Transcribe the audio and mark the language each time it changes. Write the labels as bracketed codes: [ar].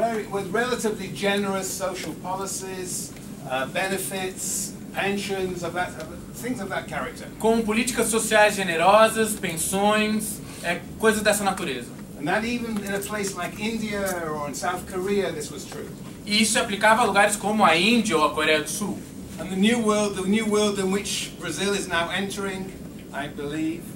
[en] With relatively generous social policies, benefits, pensions, things of that character. [pt] Com políticas sociais generosas, pensões, coisas dessa natureza. [en] And that even in a place like India or in South Korea, this was true. [pt] E isso aplicava a lugares como a Índia ou a Coreia do Sul. [en] And the new world in which Brazil is now entering, I believe.